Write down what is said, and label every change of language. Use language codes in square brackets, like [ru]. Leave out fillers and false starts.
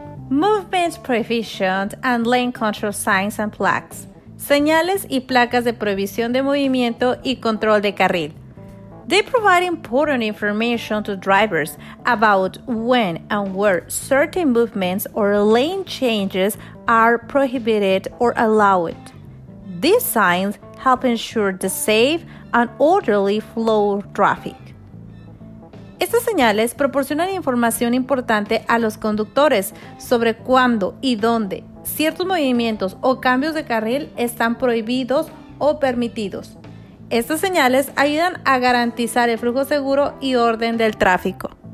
[en] Movement prohibition and lane control signs and plaques. [es] Señales y placas de prohibición de movimiento y control de carril. [en] They provide important information to drivers about when and where certain movements or lane changes are prohibited or allowed. These signs help ensure the safe and orderly flow of traffic. [es] Estas señales proporcionan información importante a los conductores sobre cuándo y dónde ciertos movimientos o cambios de carril están prohibidos o permitidos. Estas señales ayudan a garantizar el flujo seguro y orden del tráfico.